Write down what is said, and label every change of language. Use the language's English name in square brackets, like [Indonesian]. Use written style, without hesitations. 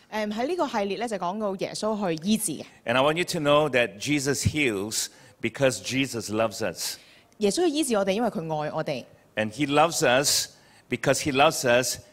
[Cantonese] 在这个系列就讲到耶稣去医治嘅。 [English] And I want you to know that Jesus heals because Jesus loves us. [Cantonese] 耶稣去医治我们，因为佢爱我哋。 [English] And he loves us because he loves us.